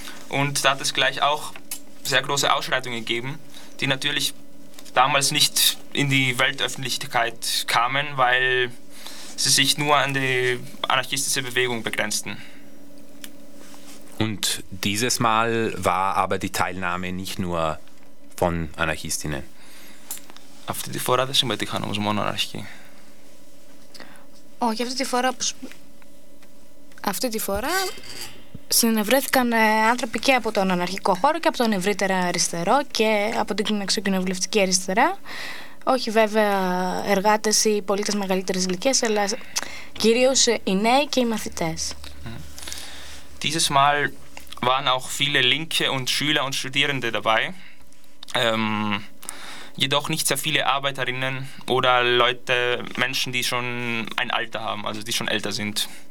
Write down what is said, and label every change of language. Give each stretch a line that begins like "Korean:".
German: Und da hat es gleich auch sehr große Ausschreitungen gegeben, die natürlich damals nicht in die Weltöffentlichkeit kamen, weil sie sich nur an die anarchistische Bewegung begrenzten. Und dieses Mal war aber die Teilnahme nicht nur von Anarchistinnen.
Greek: Αυτή τη φορά δεν συμμετείχαν όμως μόνο αναρχικοί. Όχι, αυτή τη φορά συνευρέθηκαν άνθρωποι και από τον αναρχικό χώρο και από τον ευρύτερα αριστερό και από την εξοκοινοβουλευτική αριστερά. Όχι βέβαια εργάτες ή πολίτες μεγαλύτερης ηλικίας, αλλά κυρίως οι νέοι και οι μαθητές.
German: Dieses Mal waren auch viele Linke und Schüler und Studierende dabei. Jedoch nicht sehr viele Arbeiterinnen oder Leute, Menschen, die schon ein Alter haben, also die schon älter sind.